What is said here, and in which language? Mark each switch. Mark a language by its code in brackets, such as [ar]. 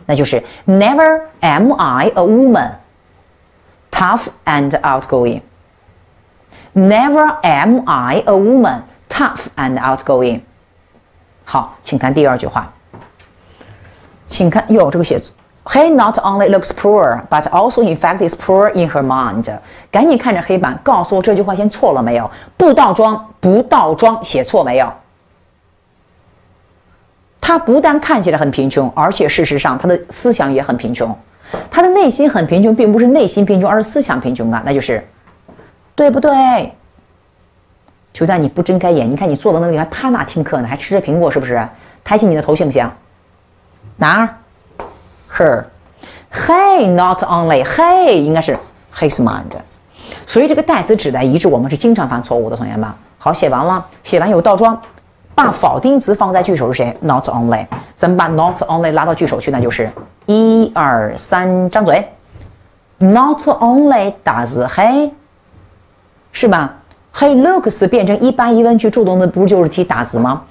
[zh] 那就是 [en] Never am I a woman, tough and outgoing. Never am I a woman, tough and outgoing. [zh] 好，请看第二句话。请看，哟，这个写字。 [en] He not only looks poor, but also in fact is poor in her mind. [zh] 赶紧看着黑板，告诉我这句话先错了没有？不倒装，不倒装，写错没有？他不但看起来很贫穷，而且事实上他的思想也很贫穷。他的内心很贫穷，并不是内心贫穷，而是思想贫穷啊，那就是，对不对？邱丹，你不睁开眼，你看你坐到那个地方趴那听课呢，还吃着苹果是不是？抬起你的头行不行？哪儿？ [en] Her, hey, not only, hey, [zh] 应该是 [en] his mind. [zh] 所以这个代词指代一致，我们是经常犯错误的，同学们。好，写完了，写完有倒装，把否定词放在句首是谁 ？Not only. 咱们把 not only 拉到句首去，那就是一二三，张嘴。 [en] Not only does he, [zh] 是吧 ？ [en] He looks [zh] 变成一般疑问句，助动的不就是提 does 吗？